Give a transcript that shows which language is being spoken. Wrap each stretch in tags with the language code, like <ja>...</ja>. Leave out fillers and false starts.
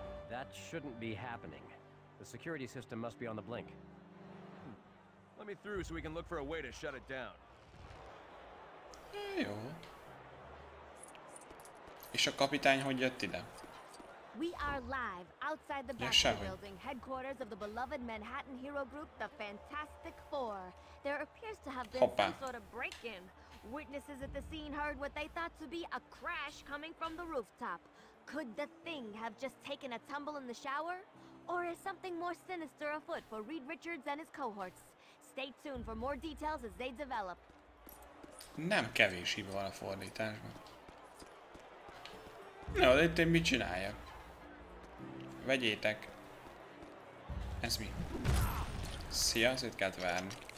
<en>That shouldn't be happening. The security system must be on the blink. Let me through so we can look for a way to shut it down.</en> <hu>Jó. És a kapitány hogy jött ide?</hu> <en>We are live outside the Baxter building, headquarters of the beloved Manhattan hero group, the Fantastic Four. There appears to have been some sort of break-in. Witnesses at the scene heard what they thought to be a crash coming from the rooftop. Could the thing have just taken a tumble in the shower? Or is something more sinister afoot for Reed Richards and his cohorts? Stay tuned for more details as they develop.</en> <hu>Nem kevés hiba van a fordításban. Na, de itt én mit csináljak? Vegyétek. Ez mi? Szia, szét kellett várni.</hu>